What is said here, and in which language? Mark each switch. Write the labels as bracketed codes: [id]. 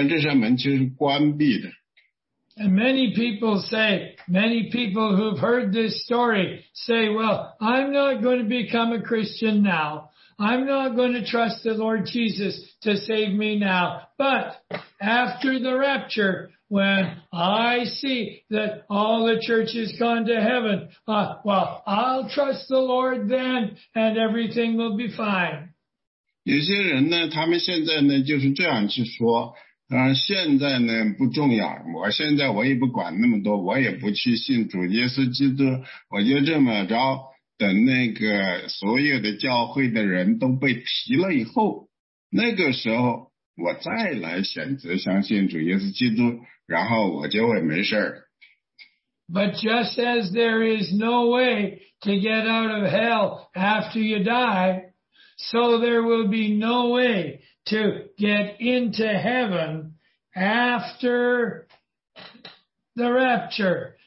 [zh] 然后现在当今的社会上呢，我们就是说呢，在约翰福音10:9里主耶稣基督说他是门，他是那扇门呢，这个门呢就是已经开着的，现在到目前为止仍然是开着的，但是呢，但是我们被告知呢，在教会被提以后呢，就又有一扇门，但这扇门其实是关闭的。 [en] And many people say, many people who've heard this story say, well, I'm not going to become a Christian now. I'm not going to trust the Lord Jesus to save me now. But after the rapture, when I see that all the church has gone to heaven, well, I'll trust the Lord then and everything will be fine. [zh] 有些人呢，他们现在呢，就是这样去说。现在呢不重要，我现在我也不管那么多，我也不去信主耶稣基督，我就这么着，等那个所有的教会的人都被提了以后，那个时候我再来选择相信主耶稣基督，然后我就会没事儿。 [en] But just as there is no way to get out of hell after you die, so there will be no way to get into heaven after the rapture.